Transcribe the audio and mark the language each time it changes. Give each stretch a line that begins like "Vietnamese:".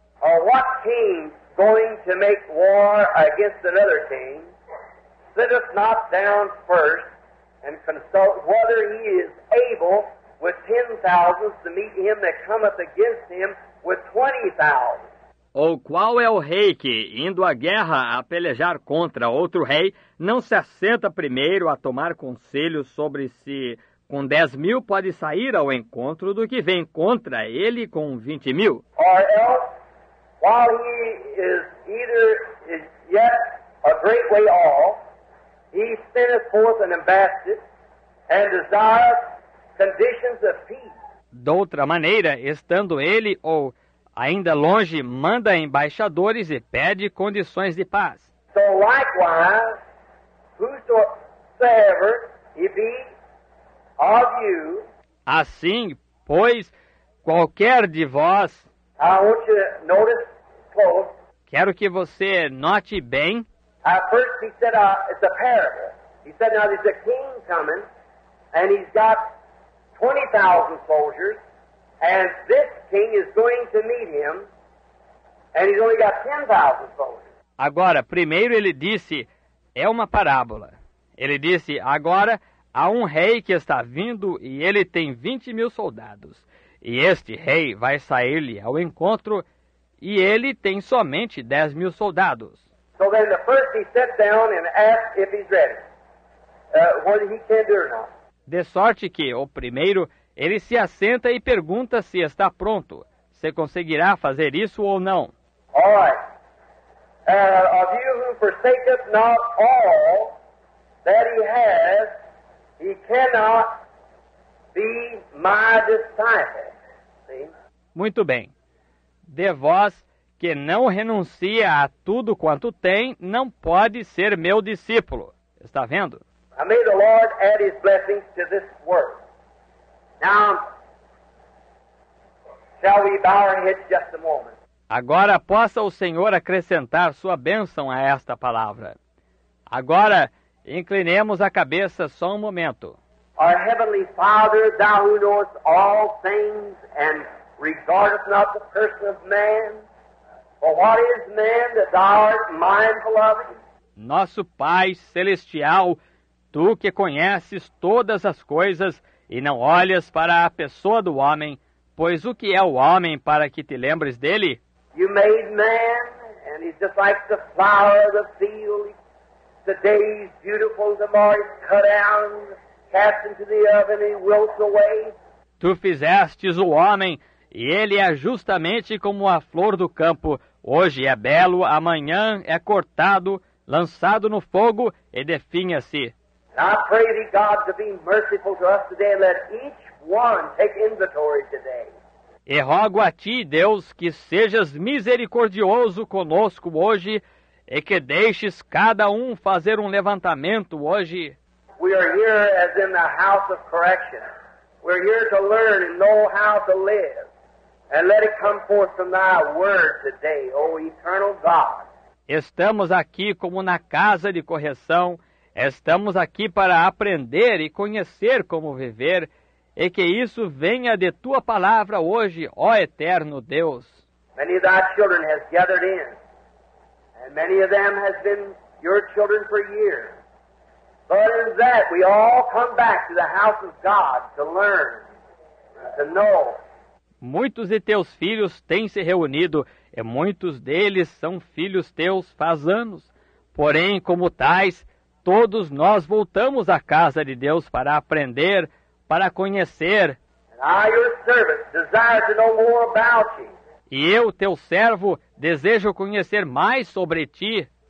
English: Are what king going to make war against another king, sitteth not down first, and consult whether he is able with 10,000 to meet him that cometh against him with 20,000.
Portuguese: Ou qual é o rei que, indo à guerra a pelejar contra outro rei, não se assenta primeiro a tomar conselho sobre se com 10,000 pode sair ao encontro do que vem contra ele com 20,000?
English: Or else, while he is either is yet a great way off, he sendeth forth an ambassador and desireth conditions of peace.
Portuguese: D'outra maneira, estando ele ou ainda longe, manda embaixadores e pede condições de paz.
English: So likewise, whosoever he be of you,
Portuguese: assim, pois, qualquer de vós,
English: I want you to notice close,
Portuguese: quero que você note bem.
English: At first he said, it's a parable. He said, now there's a king coming, and he's got 20,000 soldiers, and this king is going to meet him, and he's only got 10,000 soldiers.
Portuguese: Agora, primeiro ele disse, é uma parábola. Ele disse, agora há um rei que está vindo e ele tem 20 mil soldados. E este rei vai sair-lhe ao encontro e ele tem somente 10 mil soldados.
English: So then the first he sat down and asked if he's ready, what he can do or not.
Portuguese: De sorte que, o primeiro, ele se assenta e pergunta se está pronto, se conseguirá fazer isso ou não.
English: All right. Of you who forsaketh not all that he has, he cannot be my disciple.
Portuguese: Muito bem. De vós que não renuncia a tudo quanto tem, não pode ser meu discípulo. Está vendo?
English: And may the Lord add his blessings to this work. Now, shall we bow our heads just a moment?
Portuguese: Agora possa o Senhor acrescentar sua bênção a esta palavra. Agora, inclinemos a cabeça só um momento.
English: Our Heavenly Father, thou who knowest all things and regardest not the person of man, for what is man that thou art mindful of him?
Portuguese: Nosso Pai Celestial, tu que conheces todas as coisas e não olhas para a pessoa do homem, pois o que é o homem para que te lembres dele?
English: You made man, and he's just like the flower of the field. Today he's beautiful, tomorrow he's cut down, cast into the oven, and he wilts away.
Portuguese: Tu fizestes o homem, e ele é justamente como a flor do campo. Hoje é belo, amanhã é cortado, lançado no fogo e definha-se.
English: And I pray thee, God, to be merciful to us today, and let each one take inventory today.
Portuguese: E rogo a ti, Deus, que sejas misericordioso conosco hoje e que deixes cada um fazer um levantamento hoje.
English: We are here as in the house of correction. We're here to learn and know how to live. And let it come forth from thy word today, O eternal God.
Portuguese: Estamos aqui como na casa de correção. Estamos aqui para aprender e conhecer como viver. E que isso venha de tua palavra hoje, ó eterno Deus.
English: Many of thy children have gathered in, and many of them have been your children for years. But in that we all come back to the house of God to learn, to know.
Portuguese: Muitos de teus filhos têm se reunido, e muitos deles são filhos teus faz anos. Porém, como tais, todos nós voltamos à casa de Deus para aprender, para conhecer.
English: I, your servant, desire to know more about you.
Portuguese: E eu, teu servo, desejo conhecer mais sobre ti.